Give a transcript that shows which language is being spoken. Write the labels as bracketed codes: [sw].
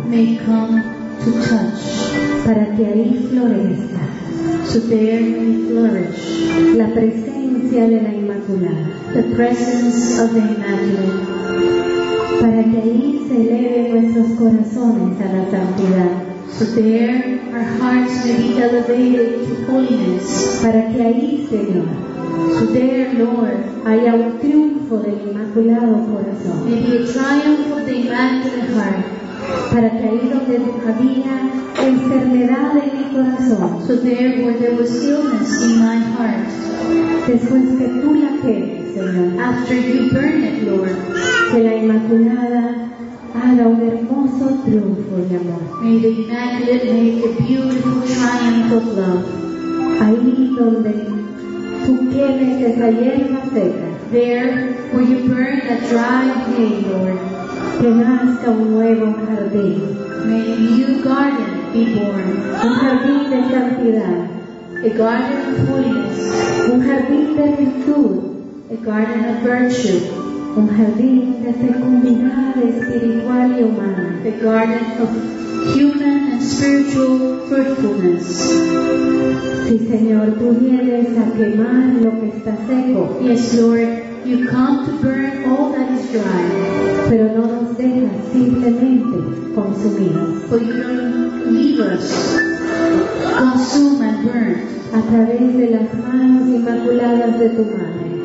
[en] May come to touch, [es] para que ahí florezca, [en] so there may flourish, [es] la presencia de la Inmaculada, [en] the presence of the Immaculate, [es] para que ahí se eleven nuestros corazones a la santidad, [en] so there our hearts may be elevated to holiness, [es] para que ahí, Señor, [en] so there, Lord, [es] haya un triunfo del Inmaculado Corazón, [en] may be a triumph of the Immaculate Heart, [es] para que ahí donde había enfermedad en mi corazón, [en] so there where there was illness in my heart, [es] después que tú la quemes, Señor, [en] after you burn it, Lord, [es] que la Inmaculada haga un hermoso triunfo de amor, [en] may the Immaculate make a beautiful triumph of love, [es] ahí donde tú quemes esa hierba seca, [en] there where you burn a dry hay, Lord, [es] que nazca un nuevo jardín. [en] May a new garden be born. [es] Un jardín de santidad. [en] A garden of holiness. [es] Un jardín de virtud. [en] A garden of virtue. [es] Un jardín de fecundidad espiritual y humana. [en] A garden of human and spiritual fruitfulness. [es] Si, Señor, tú vienes a quemar lo que está seco. [en] Yes, Lord, you come to burn all that is dry. [es] Pero no nos deja simplemente consumidos. [en] But you don't leave us consumed and burned. [es] A través de las manos inmaculadas de tu madre.